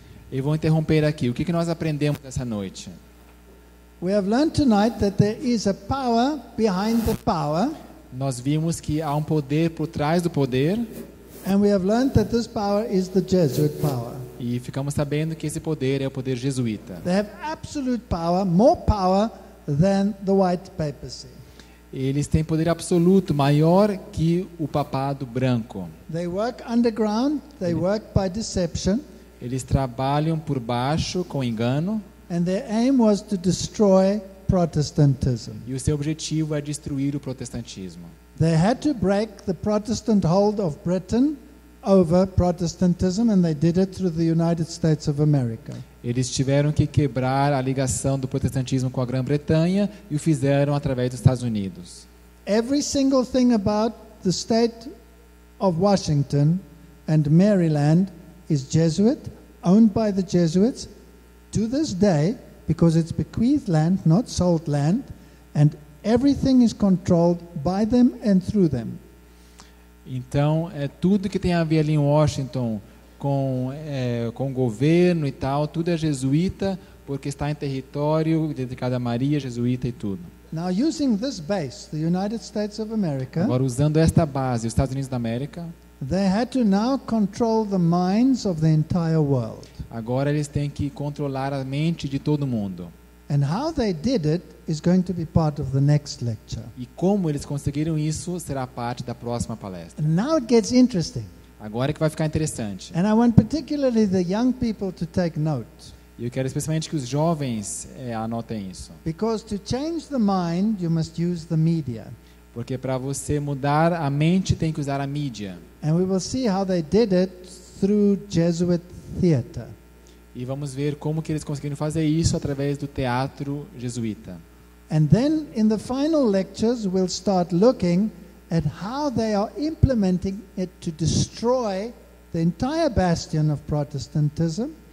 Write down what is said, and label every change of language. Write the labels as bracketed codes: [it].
[pt] Eu vou interromper aqui. O que nós aprendemos essa noite? [en] We have learned tonight that there is a power behind the power. [pt] Nós vimos que há um poder por trás do poder. [en] And we have learned that this power is the Jesuit power. [pt] E ficamos sabendo que esse poder é o poder jesuíta. [en] They have absolute power, more power than the white papacy. [pt] Eles têm poder absoluto, maior que o papado branco. [en] They work underground, they work by deception. [pt] Eles trabalham por baixo com engano. [en] And their aim was to destroy Protestantism. [pt] E o seu objetivo é destruir o protestantismo. [en] They had to break the Protestant hold of Britain over Protestantism, and they did it through the United States of America. [pt] Eles tiveram que quebrar a ligação do protestantismo com a Grã-Bretanha e o fizeram através dos Estados Unidos. [en] Every single thing about the state of Washington and Maryland is Jesuit, owned by the Jesuits, to this day, because it's bequeathed land, not sold land, and everything is controlled by them and through them. [pt] Então, tudo que tem a ver ali em Washington com o governo e tal, tudo é jesuíta, porque está em território dedicado a Maria, jesuíta e tudo. [en] Now using this base, the United States of America. [pt] Agora usando esta base, os Estados Unidos da América. [en] They had to now control the minds of the entire world. [pt] Agora eles têm que controlar a mente de todo mundo. [en] And how they did it is going to be part of the next lecture. [pt] E como eles conseguiram isso será parte da próxima palestra. [en] And now it gets interesting. [pt] Agora é que vai ficar interessante. [en] And I want particularly the young people to take note. [pt] E eu quero especialmente que os jovens anotem isso. [en] Because to change the mind, you must use the media. [pt] Porque para você mudar a mente tem que usar a mídia. [en] And we will see how they did it through Jesuit theater. [pt] E vamos ver como que eles conseguiram fazer isso através do teatro jesuíta. [en] And then in the final lectures we'll start looking at how they are implementing it to destroy the entire bastion of Protestantism.